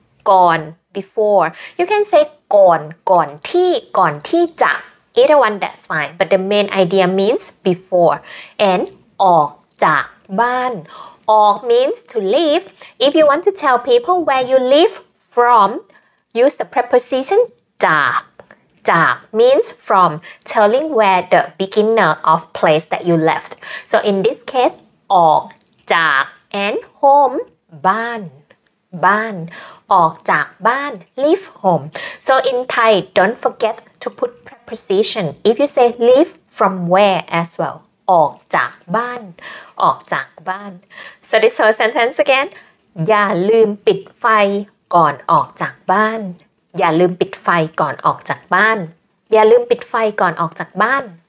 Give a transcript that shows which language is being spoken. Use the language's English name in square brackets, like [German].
[English] ก่อน before you can say ก่อนก่อนที่ก่อนที่จะ either one that's fine but the main idea means before and ออกจากบ้านออก means to leave if you want to tell people where you live from use the preposition จากจาก means from telling where the beginner of place that you left. So in this case, ออกจาก and home, บ้าน, บ้าน, [Thai] ออกจากบ้าน, [English] leave home. So in Thai, don't forget to put preposition. If you say leave from where as well, ออกจากบ้าน, ออกจากบ้าน. So this whole sentence again, [Thai] อย่าลืมปิดไฟก่อนออกจากบ้านอย่าลืมปิดไฟก่อนออกจากบ้านอย่าลืมปิดไฟก่อนออกจากบ้าน